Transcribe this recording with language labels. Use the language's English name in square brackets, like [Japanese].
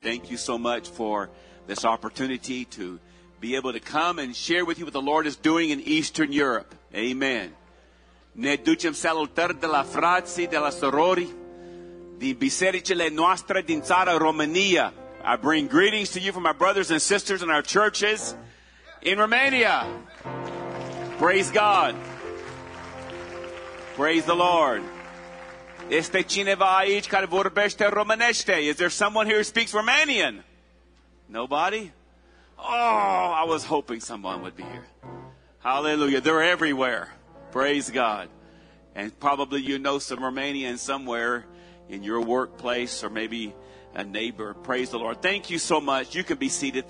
[English] thank you so much for this opportunity to be able to come and share with you what the Lord is doing in Eastern Europe. Amen. [Romanian] Ne ducem salutări de la frații, de la sorori, din bisericile noastre din țara România. [English] I bring greetings to you from my brothers and sisters in our churches in Romania. Praise God. Praise the Lord. [Romanian] Este cineva aici care vorbește românește? [English] Is there someone here who speaks Romanian? Nobody? Oh, I was hoping someone would be here. Hallelujah. They're everywhere. Praise God. And probably you know some Romanian somewhere in your workplace or maybe a neighbor. Praise the Lord. Thank you so much. You can be seated.